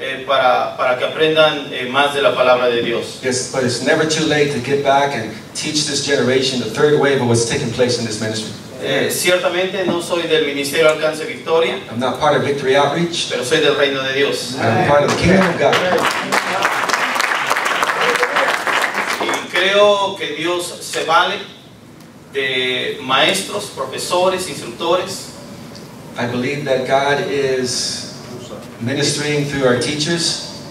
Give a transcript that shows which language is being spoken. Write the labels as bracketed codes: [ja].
[es] Para que aprendan más de la palabra de Dios. [en] Yes, but it's never too late to get back and teach this generation the third way of what's taking place in this ministry. [es] Ciertamente no soy del ministerio Alcance Victoria. [en] I'm not part of Victory Outreach. [es] Pero soy del reino de Dios. [en] Yeah. I'm part of the kingdom of God. [es] Y creo que Dios se vale de maestros, profesores, instructores. [en] I believe that God is ministering through our teachers